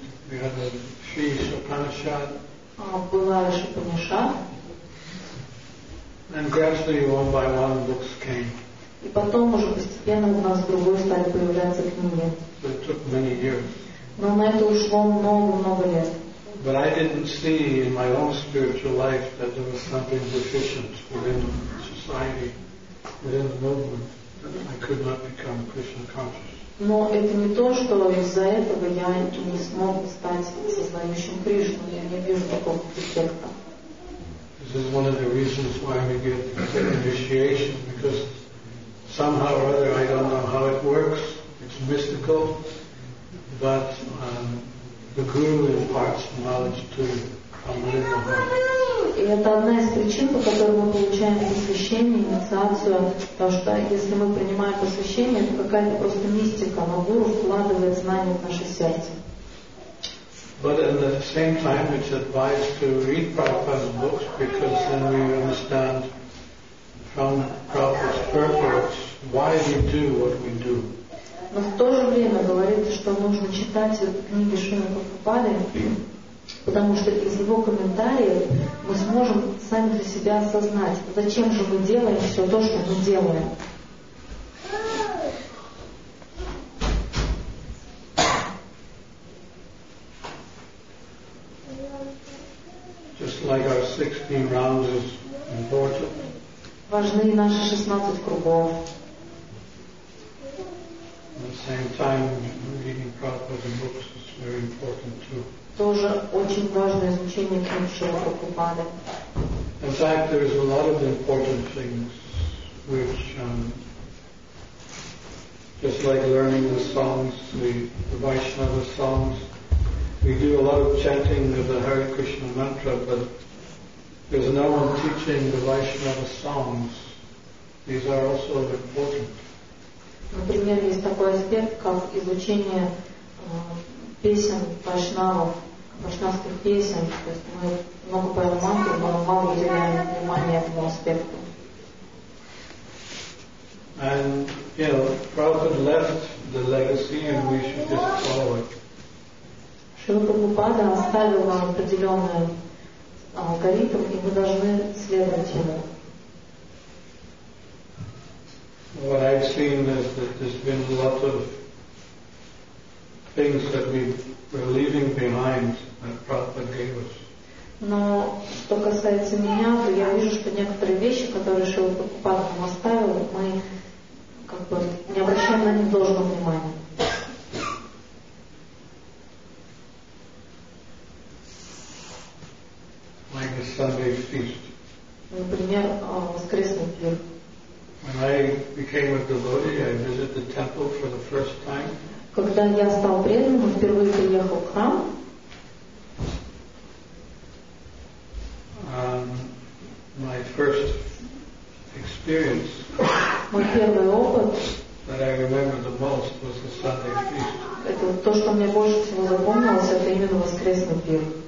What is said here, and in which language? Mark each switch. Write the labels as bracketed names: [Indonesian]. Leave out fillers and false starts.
[English] We had a Sri Upanishad. [Russian] Была еще Паниша. [English] And gradually one by one books came. [Russian] И потом уже постепенно у нас другой стали появляться книги. [English] So it took many years. [Russian] Но на это ушло много-много лет. [English] But I didn't see in my own spiritual life that there was something deficient within society, within the movement, that I could not become Krishna conscious. [Russian] Но это не то, что из-за этого я не смог стать сознающим Кришну. Я не вижу такого эффекта. [English] This is one of the reasons why we get initiation, because somehow or other, I don't know how it works, it's mystical, but the Guru imparts knowledge to you. [Russian] И это одна из причин, по которой мы получаем посвящение, инициацию. Потому что если мы принимаем посвящение, это какая-то просто мистика, но гуру вкладывает знания в наше сердце. [English] But at the same time, it's advised to read Prabhupada's books because then we understand from Prabhupada's purpose why we do what we do. [Russian] Но в то же время говорится, что нужно читать книги Шрилы Прабхупады, потому что из его комментариев мы сможем сами для себя осознать, зачем же мы делаем все то, что мы делаем. [English] Just like our 16 rounds is important. [Russian] Важны наши 16 кругов. [English] At the same time, reading Prabhupada books is very important too. [Russian] Тоже очень важное изучение книг Шрилы Прабхупады. [English] In fact, there is a lot of important things which, just like learning the songs, the Vaishnava songs. We do a lot of chanting of the Hare Krishna mantra, but there's no one teaching the Vaishnava songs. These are also important. [Russian] Например, есть такой аспект, как изучение песен Вайшнавов, вайшнавских песен. То есть мы много поем мантру, но мало уделяем внимания этому аспекту. [English] And, you know, Prabhupada left the legacy and we should just follow it. [Russian] Шрила Прабхупада оставил нам определенный алгоритм, и мы должны следовать ему. [English] What I've seen is that there's been a lot of things that we were leaving behind that Prabhupada gave us. [Russian] Но что касается меня, то я вижу, что некоторые вещи, которые Шрила Прабхупада нам оставил, мы как бы не обращаем на них должного внимания. [English] Like a Sunday feast. [Russian] Например, воскресный пир. [English] When I became a devotee, I visited the temple for the first time. [Russian] Когда я стал преданным, я впервые приехал в храм. [English] My first experience. [Russian] Мой первый опыт. [English] That I remember the most was the Sunday feast. [Russian] Это то, что мне больше всего запомнилось, это именно воскресный пир.